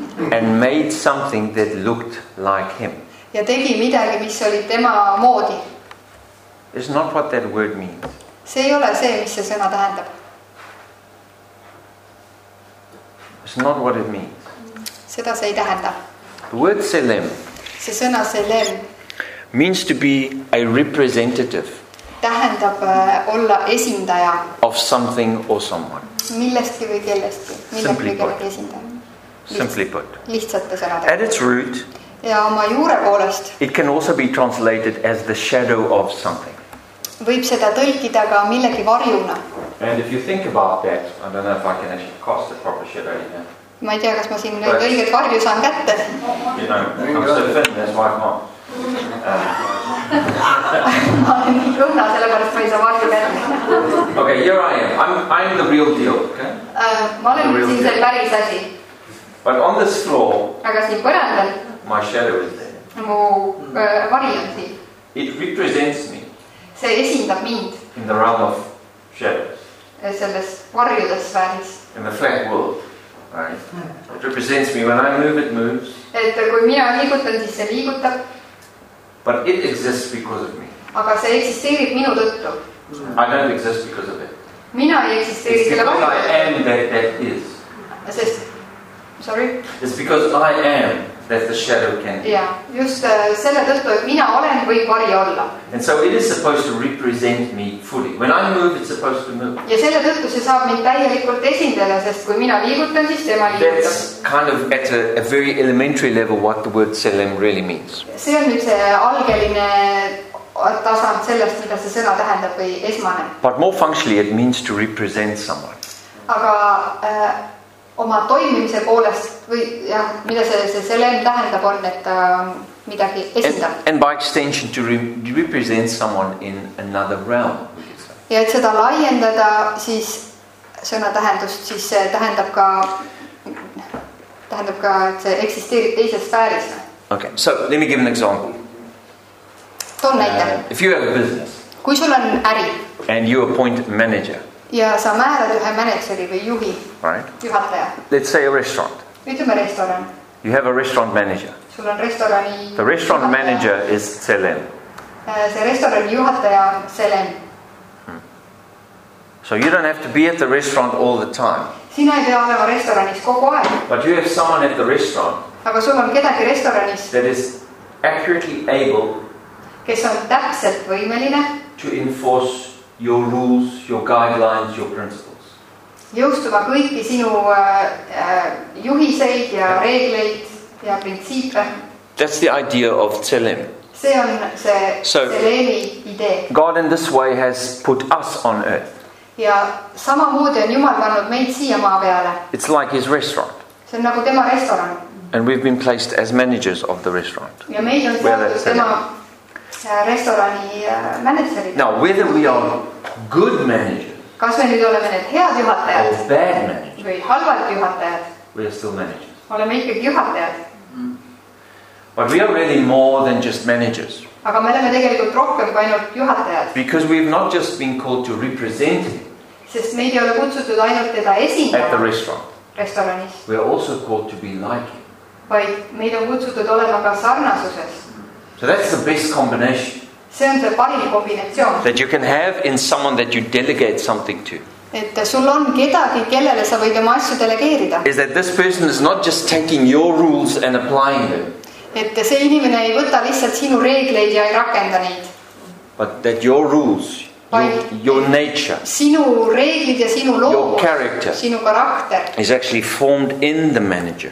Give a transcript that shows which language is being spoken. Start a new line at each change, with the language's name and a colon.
English: And made something that looked like him.
Estonian: Ja tegi midagi, mis oli tema moodi.
English: It's not what that word means.
Estonian: See ei ole see, mis see sõna tähendab.
English: It's not what it means.
Estonian: Seda see ei tähenda.
English: The word selem.
Estonian: See sõna selem.
English: Means to be a representative.
Estonian: Tähendab olla esindaja
English: of something or someone.
Estonian: Millestki või kellestki.
English: Simply put.
Estonian: Esindaja.
English: Simply put.
Estonian: Lihtsate sõnade.
English: At its root.
Estonian: Ja oma juure poolest.
English: It can also be translated as the shadow of something.
Estonian: Võib seda tõlkida ka millegi varjuna.
English: And if you think about that, I don't know if I can actually cast the proper shadow in there.
Estonian: Ma ei tea, kas ma siin nüüd õiget varju saan kätte.
English: You know, I'm so thin, that's why I can't. Okay, here I am. I'm the real deal, okay?
Estonian: Ma olen siin päris asi.
English: But on this floor.
Estonian: Aga siin põrandal.
English: My shadow is there.
Estonian: Mu vari on siin.
English: It represents me.
Estonian: See esindab mind.
English: In the realm of shadows.
Estonian: Selles varjudes väris.
English: In the flat world. Right. It represents me when I move, it moves.
Estonian: Et kui mina liigutan, siis see liigutab.
English: But it exists because of me.
Estonian: Aga see eksisteerib minu tõttu.
English: I don't exist because of it.
Estonian: Mina ei eksisteeri selle vastu.
English: It's because I am that that is.
Estonian: Sest, sorry.
English: It's because I am that the shadow can be.
Estonian: Yeah, just selle tõttu, et mina olen võib vari olla.
English: And so it is supposed to represent me fully. When I move, it's supposed to move.
Estonian: Ja selle tõttu see saab mind täielikult esindada, sest kui mina liigutan, siis tema liigutab.
English: That's kind of at a very elementary level what the word selem really means.
Estonian: See on nüüd see algeline tasand sellest, mida see sõna tähendab või esmane.
English: But more functionally, it means to represent someone.
Estonian: Aga oma toimimise poolest või ja mida see selem tähendab on, et midagi esindab.
English: And by extension to represent someone in another realm.
Estonian: Ja et seda laiendada, siis sõna tähendust, siis see tähendab ka, et see eksisteerib teises sfääris.
English: Okay, so let me give an example.
Estonian: Toon näite.
English: If you have a business.
Estonian: Kui sul on äri.
English: And you appoint a manager.
Estonian: Ja sa määrad ühe manageri või juhi.
English: Right.
Estonian: Juhataja.
English: Let's say a restaurant.
Estonian: Ütleme restoran.
English: You have a restaurant manager.
Estonian: Sul on restorani.
English: The restaurant juhataja. Manager is Selen.
Estonian: See restoran juhataja on Selen.
English: So you don't have to be at the restaurant all the time.
Estonian: Sina ei pea olema restoranis kogu aeg.
English: But you have someone at the restaurant.
Estonian: Aga sul on kedagi restoranis.
English: That is accurately able.
Estonian: Kes on täpselt võimeline.
English: To enforce your rules, your guidelines, your principles.
Estonian: Jõustuva kõiki sinu juhiseid ja reegleid ja printsiipe.
English: That's the idea of Tselem.
Estonian: See on see Tselemi idee.
English: God in this way has put us on earth.
Estonian: Ja samamoodi on Jumal pannud meid siia maa peale.
English: It's like his restaurant.
Estonian: See on nagu tema restoran.
English: And we've been placed as managers of the restaurant.
Estonian: Ja meid on saadud tema restaurani manageri.
English: Now, whether we are good managers.
Estonian: Kas me nüüd oleme need head juhatajad?
English: Or bad managers.
Estonian: Või halvad juhatajad.
English: We are still managers.
Estonian: Oleme ikkagi juhatajad.
English: But we are really more than just managers.
Estonian: Aga me oleme tegelikult rohkem kui ainult juhatajad.
English: Because we have not just been called to represent him.
Estonian: Sest meid ei ole kutsutud ainult teda esindama.
English: At the restaurant.
Estonian: Restoranis.
English: We are also called to be like him.
Estonian: Vaid meid on kutsutud olema ka sarnasuses.
English: So that's the best combination.
Estonian: See on see parim kombinatsioon.
English: That you can have in someone that you delegate something to.
Estonian: Et sul on kedagi, kellele sa võid oma asju delegeerida.
English: Is that this person is not just taking your rules and applying them.
Estonian: Et see inimene ei võta lihtsalt sinu reegleid ja ei rakenda neid.
English: But that your rules, your nature,
Estonian: sinu reeglid ja sinu loo,
English: your character,
Estonian: sinu karakter,
English: is actually formed in the manager.